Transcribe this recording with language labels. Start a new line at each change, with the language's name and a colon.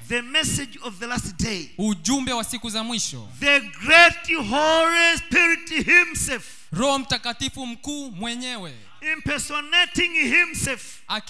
English: The message of the last day.
Swahili: Ujumbe wa siku za mwisho.
English: The great Holy Spirit himself.
Swahili: Roho Mtakatifu mkuu mwenyewe.
English: Impersonating himself.